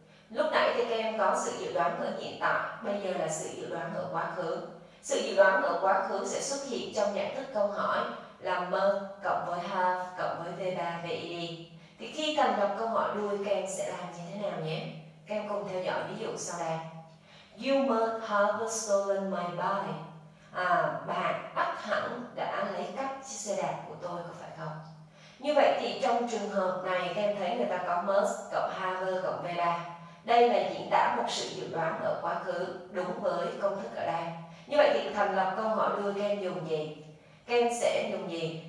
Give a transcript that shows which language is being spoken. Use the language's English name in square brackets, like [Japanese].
[Vietnamese] Lúc nãy thì các em có sự dự đoán ở hiện tại, bây giờ là sự dự đoán ở quá khứ. Sự dự đoán ở quá khứ sẽ xuất hiện trong nhãn thức câu hỏi là must cộng với have cộng với V3 về ED. Thì khi thành lập câu hỏi đuôi, các em sẽ làm như thế nào nhé? Các em cùng theo dõi ví dụ sau đây. [English] You must have stolen my bike. [Vietnamese] À, bạn bắt hẳn đã lấy cắp chiếc xe đạp của tôi, có phải không? Như vậy thì trong trường hợp này, các em thấy người ta có must cộng have cộng V3. Đây là diễn tả một sự dự đoán ở quá khứ, đúng với công thức ở đây. Như vậy thì thành lập câu hỏi đuôi, các em dùng gì? Các em sẽ dùng gì?